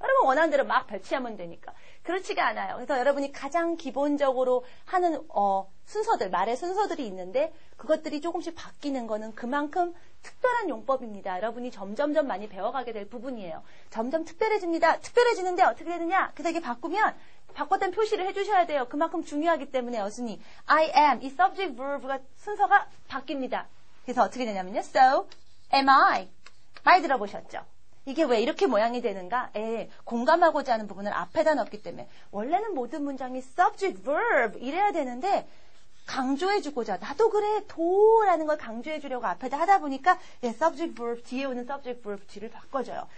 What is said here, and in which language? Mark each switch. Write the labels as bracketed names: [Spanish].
[Korean] 여러분 원하는 대로 막 배치하면 되니까. 그렇지가 않아요. 그래서 여러분이 가장 기본적으로 하는 순서들, 말의 순서들이 있는데 그것들이 조금씩 바뀌는 거는 그만큼 특별한 용법입니다. 여러분이 점점점 많이 배워가게 될 부분이에요. 점점 특별해집니다. 특별해지는데 어떻게 되느냐? 그래서 이게 바꾸면 바꿨던 표시를 해주셔야 돼요. 그만큼 중요하기 때문에 어순이 I am 이 subject verb가 순서가 바뀝니다. 그래서 어떻게 되냐면요. [English] So am I [Korean] 많이 들어보셨죠? 이게 왜 이렇게 모양이 되는가? 에, 공감하고자 하는 부분을 앞에다 넣기 때문에 원래는 모든 문장이 subject verb 이래야 되는데 강조해주고자 나도 그래 도라는 걸 강조해주려고 앞에다 하다 보니까 예, subject verb 뒤에 오는 subject verb 뒤를 바꿔줘요.